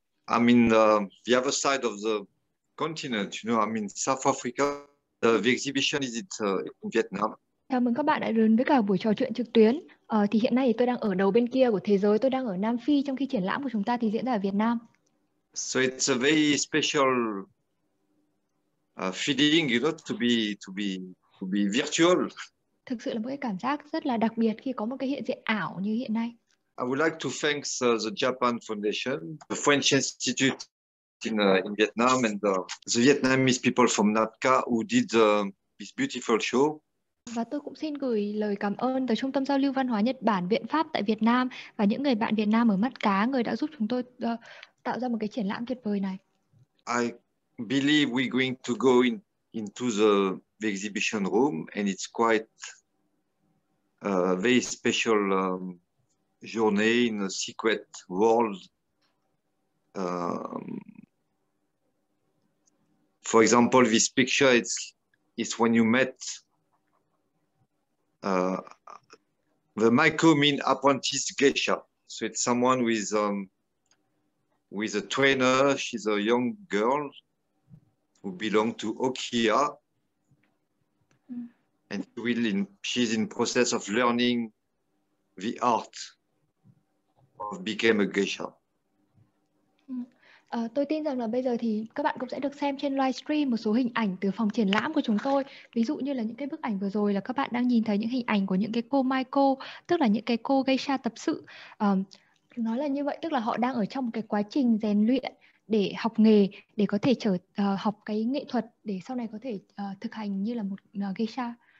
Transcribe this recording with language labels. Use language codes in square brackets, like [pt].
[en] I'm in the other side of the continent, you know, I'm in South Africa. The exhibition is in Vietnam. [vi] Chào mừng các bạn đã đến với cả buổi trò chuyện trực tuyến. Thì hiện nay thì tôi đang ở đầu bên kia của thế giới, tôi đang ở Nam Phi trong khi triển lãm của chúng ta thì diễn ra ở Việt Nam. [en] So it's a very special feeling, you know, to be virtual. [vi] Thực sự là một cái cảm giác rất là đặc biệt khi có một cái hiện diện ảo như hiện nay. [en] I would like to thank the Japan Foundation, the French Institute in Vietnam, and the Vietnamese people from NAPCA who did this beautiful show. [vi] Và tôi cũng xin gửi lời cảm ơn tới Trung tâm Giao lưu Văn hóa Nhật Bản, Viện Pháp tại Việt Nam và những người bạn Việt Nam ở Mắt Cá, người đã giúp chúng tôi tạo ra một cái triển lãm tuyệt vời này. [en] I believe we're going to go into the exhibition room, and it's quite a very special journey in a secret world. For example, this picture it's when you met the Maiko mean apprentice geisha. So it's someone with a trainer. She's a young girl who belong to Okia, and she's in process of learning the art of became a geisha. [vi] Tôi tin rằng là bây giờ thì các bạn cũng sẽ được xem trên livestream một số hình ảnh từ phòng triển lãm của chúng tôi. Ví dụ như là những cái bức ảnh vừa rồi là các bạn đang nhìn thấy những hình ảnh của những cái cô Maiko, tức là những cái cô geisha tập sự. Nói là như vậy, tức là họ đang ở trong một cái quá trình rèn luyện để học nghề, để có thể trở học cái nghệ thuật, để sau này có thể thực hành như là một geisha.